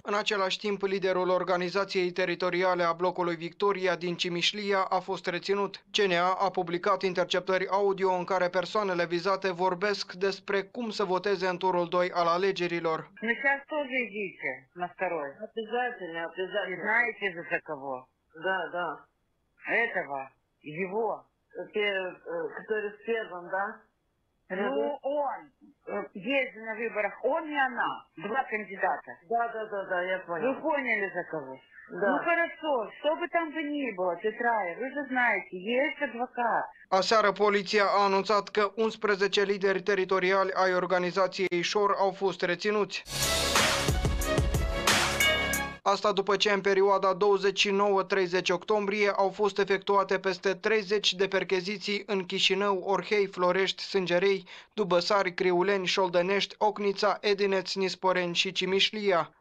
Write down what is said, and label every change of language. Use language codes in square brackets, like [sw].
[ro] În același timp, liderul organizației teritoriale a blocului Victoria din Cimișlia a fost reținut. CNA a publicat interceptări audio în care persoanele vizate vorbesc despre cum să voteze în turul 2 al alegerilor. Nu știu ce tot îi zice, la второй. [ru] Обязательно, обязательно. Знаете за кого? Да, да. Этого, его. Который с первым, да? Ну, он. Есть на выборах он и она. Два кандидата. Да, да, да, да, я понял. Вы поняли за кого? [ro] Da. [ru] Ну хорошо, что бы там бы ни было, Петрая, вы же знаете, есть адвокат. [ro] Aseară, poliția a anunțat că 11 lideri teritoriali ai organizației ŠOR au fost reținuți. Asta după ce în perioada 29-30 octombrie au fost efectuate peste 30 de percheziții în Chișinău, Orhei, Florești, Sângerei, Dubăsari, Criuleni, Șoldănești, Ocnița, Edineț, Nisporeni și Cimișlia.